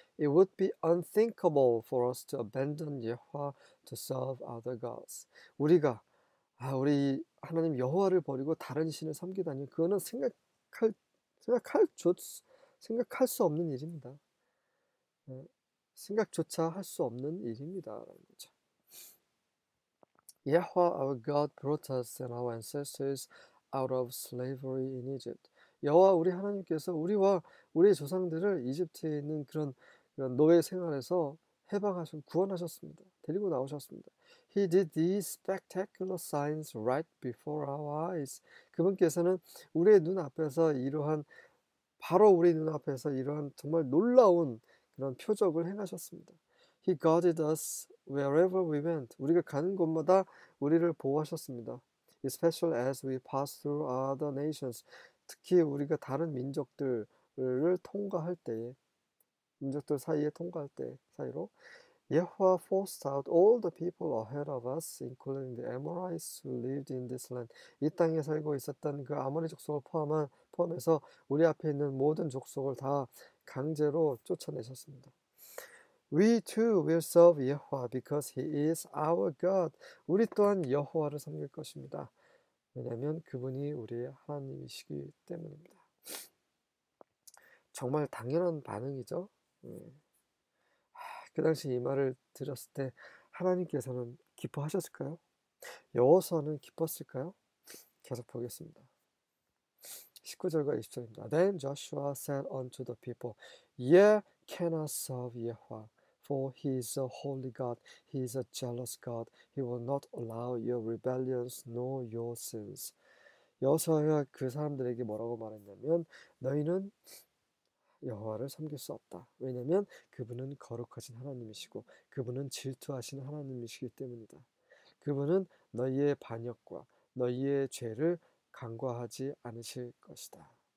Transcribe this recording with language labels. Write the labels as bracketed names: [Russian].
[English] It would be unthinkable for us to abandon Yehovah to serve other gods. [Korean] 우리가 우리 하나님 여호와를 버리고 다른 신을 섬기다니, 그거는 생각할 수 없는 일입니다. 생각조차 할수 없는 일입니다라는 거죠. [English] Yehovah our God brought us and our ancestors out of slavery in Egypt. [Korean] 여호와 우리 하나님께서 우리와 우리 조상들을 이집트에 있는 그런 노예 생활에서 해방하신, 구원하셨습니다. 데리고 나오셨습니다. [English] He did these spectacular signs right before our eyes. [Korean] 그분께서는 우리의 눈앞에서 이러한, 바로 우리 눈앞에서 이러한 정말 놀라운 그런 표적을 행하셨습니다. [English] He guarded us wherever we went. [Korean] 우리가 가는 곳마다 우리를 보호하셨습니다. [English] Especially as we pass through other nations. [Korean] 특히 우리가 다른 민족들을 통과할 때에, 민족들 사이에 통과할 때 사이로, [English] Yehovah forced out all the people ahead of us, including the Amorites who lived in this land. [Korean] 이 땅에 살고 있었던 그 아모리 족속을 포함해서 우리 앞에 있는 모든 족속을 다 강제로 쫓아내셨습니다. [English] We too will serve Yehovah because he is our God. [Korean] 우리 또한 여호와를 섬길 것입니다. 왜냐하면 그분이 우리의 하나님이시기 때문입니다. 정말 당연한 반응이죠. 그 당시 이 말을 들었을 때 하나님께서는 기뻐하셨을까요? 여호수아는 기뻤을까요? 계속 보겠습니다. 19절과 20절입니다. [English] Then Joshua said unto the people, Ye cannot serve Yehovah. For he is a holy God, he is a jealous God, he will not allow your rebellions nor your sins. [Korean] 여호수아가 그 사람들에게 뭐라고 말했냐면, 너희는 여호와를 섬길 수 없다. 왜냐면 그분은 거룩하신 하나님이시고 그분은 질투하신 하나님이시기 때문이다. 그분은 너희의 반역과 너희의 죄를 간과하지 않으실 것이다.